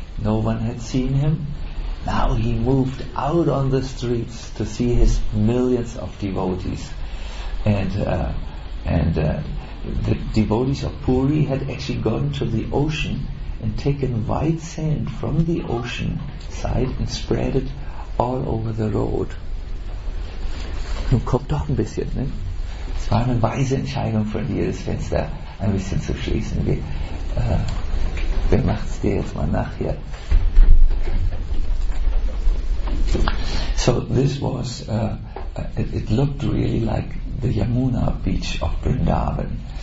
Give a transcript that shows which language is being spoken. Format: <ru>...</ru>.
<en>No one had seen him. Now he moved out on the streets to see his millions of devotees. And the devotees of Puri had actually gone to the ocean and taken white sand from the ocean side and spread it all over the road.</en> <de>Nun kommt doch ein bisschen, ne? Es war eine weise Entscheidung von dir, das Fenster ein bisschen zu schließen. Wer macht es dir jetzt mal nach hier?</de> <en>So this was, it looked really like the Yamuna beach of Vrindavan.</en>